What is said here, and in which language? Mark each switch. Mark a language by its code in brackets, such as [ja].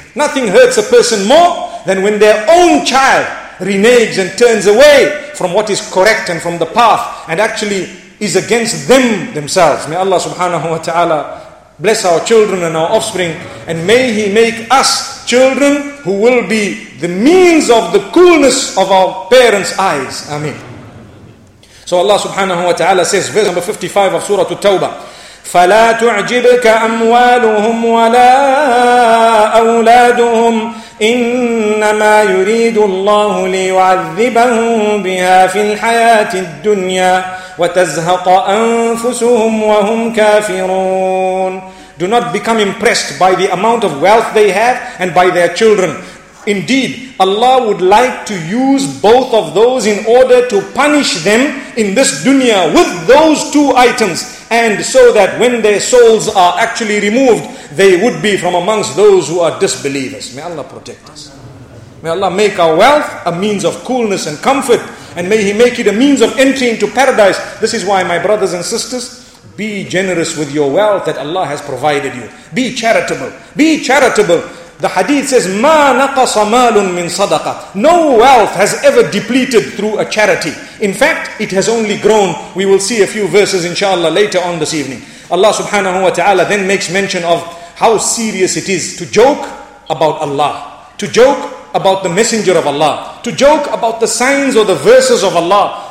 [en] Nothing hurts a person more than when their own child reneges and turns away from what is correct and from the path and actually is against them themselves. May Allah subhanahu wa ta'ala bless our children and our offspring, and may He make us children who will be the means of the coolness of our parents' eyes. Ameen. So Allah subhanahu wa ta'ala says, verse number 55 of Surah At-Tawbah, [ar] فَلَا تُعْجِبْكَ أَمْوَالُهُمْ وَلَا أَوْلَادُهُمْ إِنَّمَا يُرِيدُ اللَّهُ لِيُعَذِّبَهُمْ بِهَا فِي الْحَيَاةِ الدُّنْيَا وَتَزْهَقَ أَنفُسُهُمْ وَهُمْ كَافِرُونَ. [en] Do not become impressed by the amount of wealth they have and by their children. Indeed, Allah would like to use both of those in order to punish them in this dunya with those two items, and so that when their souls are actually removed, they would be from amongst those who are disbelievers. May Allah protect us. May Allah make our wealth a means of coolness and comfort. And may he make it a means of entry into paradise. This is why, my brothers and sisters, be generous with your wealth that Allah has provided you. Be charitable. Be charitable. The hadith says, [ar] مَا نَقَصَ مَالٌ مِّن صَدَقَةٍ. [en] No wealth has ever depleted through a charity. In fact, it has only grown. We will see a few verses inshallah later on this evening. Allah subhanahu wa ta'ala then makes mention of how serious it is to joke about Allah, to joke about the Messenger of Allah, to joke about the signs or the verses of Allah.